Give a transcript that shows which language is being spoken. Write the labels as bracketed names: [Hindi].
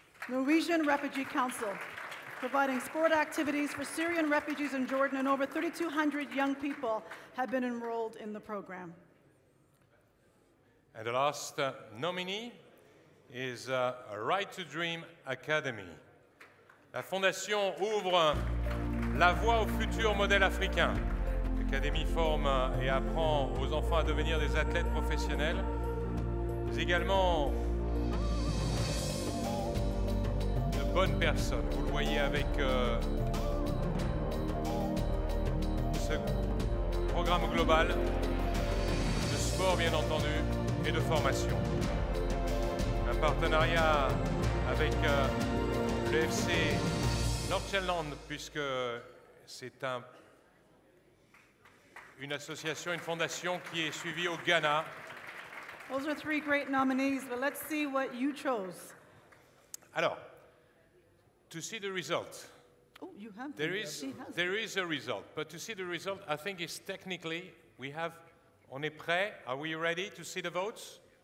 [English] Norwegian Refugee Council, providing sport activities for Syrian refugees in Jordan, and over 3,200 young people have been enrolled in the program. And the last nominee is Right to Dream Academy. [French] La Fondation ouvre la voie au futur modèle africain. L'Académie forme et apprend aux enfants à devenir des athlètes professionnels. Mais également bonne personne, vous le voyez avec ce programme global de sport, bien entendu, et de formation. Un partenariat avec le FC Nordjylland, puisque c'est une association, une fondation qui est suivie au Ghana. [English] Those are three great nominees, but let's see what you chose. Alors, to see the result, there is a result. But to see the result, I think it's technically, we have, [French] on est prêt, [English] are we ready to see the votes?